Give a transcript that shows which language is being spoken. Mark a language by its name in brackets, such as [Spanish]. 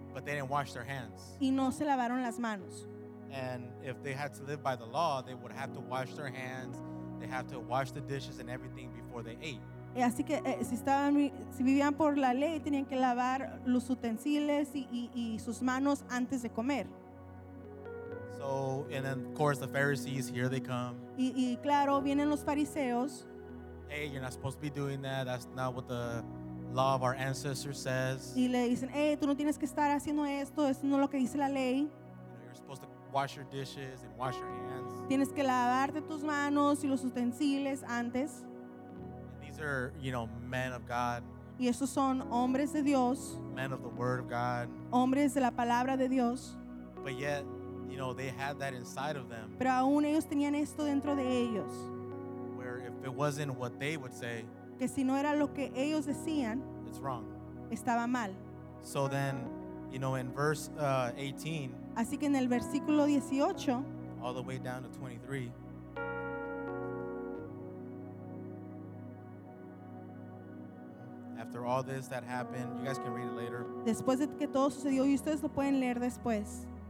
[English] But they didn't wash their hands. [Spanish] Y no se lavaron las manos. [English] And if they had to live by the law, they would have to wash their hands. They have to wash the dishes and everything before they ate. [Spanish] Así que si vivían por la ley, tenían que lavar los utensilios y sus manos antes de comer. [English] So, and then of course the Pharisees, here they come. [Spanish] Y claro, vienen los fariseos. [English] Hey, you're not supposed to be doing that. That's not what the law of our ancestors says. [Spanish] Y le dicen, hey, tú no tienes que estar haciendo esto. Esto no es lo que dice la ley. [English] You know, you're supposed to wash your dishes and wash your hands. [Spanish] Tienes que lavarte tus manos y los utensilios antes. [English] These are, you know, men of God. [Spanish] Y estos son hombres de Dios. [English] Men of the Word of God. [Spanish] Hombres de la palabra de Dios. [English] But yet, you know, they had that inside of them. [Spanish] Pero aún ellos tenían esto dentro de ellos. [English] Where if it wasn't what they would say, [Spanish] que si no era lo que ellos decían, [English] it's wrong. [Spanish] Estaba mal. [English] So then, you know, in verse 18. [Spanish] Así que en el versículo 18. [English] All the way down to 23. After all this that happened, you guys can read it later. [Spanish] Después de que todo sucedió, y ustedes lo pueden leer después.